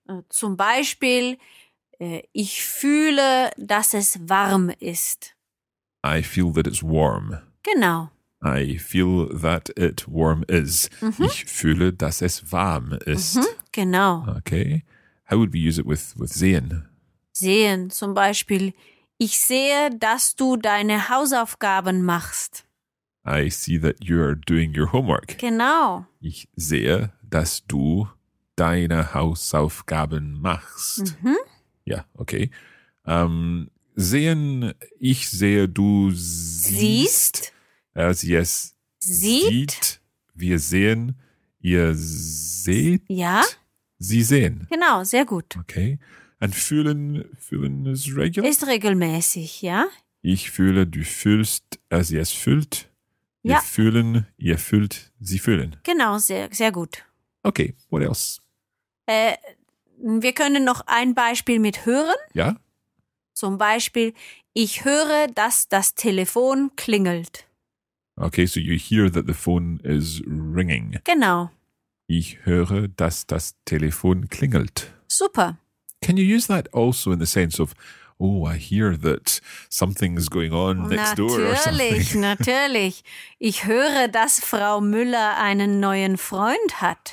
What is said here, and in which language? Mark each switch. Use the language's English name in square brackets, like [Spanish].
[German] zum Beispiel, ich fühle, dass es warm ist. [English] I feel that it's warm. [German] Genau. [English] I feel that it warm is. Mm-hmm. [German] Ich fühle, dass es warm ist. Mm-hmm. Genau. [English] Okay. How would we use it with sehen? [German] Sehen, zum Beispiel, ich sehe, dass du deine Hausaufgaben machst. [English] I see that you're doing your homework. [German] Genau. Ich sehe, dass du deine Hausaufgaben machst. Mm-hmm. [English] Yeah, okay. [German] Sehen, ich sehe, du siehst. Sieht. Wir sehen, ihr seht. Ja. Sie sehen. Genau, sehr gut. [English] Okay. And fühlen is regular? [German] Ist regelmäßig, ja. Ich fühle, du fühlst, sie es fühlt. Ja. Wir fühlen, ihr fühlt, sie fühlen. Genau, sehr, sehr gut. [English] Okay, what else? [German] Wir können noch ein Beispiel mit hören. Ja. Zum Beispiel, ich höre, dass das Telefon klingelt. [English] Okay, so you hear that the phone is ringing. [German] Genau. Ich höre, dass das Telefon klingelt. Super. [English] Can you use that also in the sense of, oh, I hear that something's going on next [German] natürlich, [English] door or something? [German] Natürlich, natürlich. Ich höre, dass Frau Müller einen neuen Freund hat.